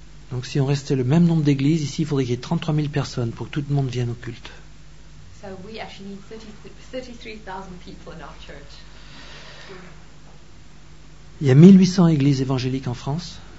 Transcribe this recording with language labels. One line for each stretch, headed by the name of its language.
French: Donc si on restait le même nombre d'églises, ici il faudrait qu'il y ait 33 000 personnes pour que tout le monde vienne au culte.
English: So we actually need 33,000 people in our church.
French: Il y a 1800 églises évangéliques en France.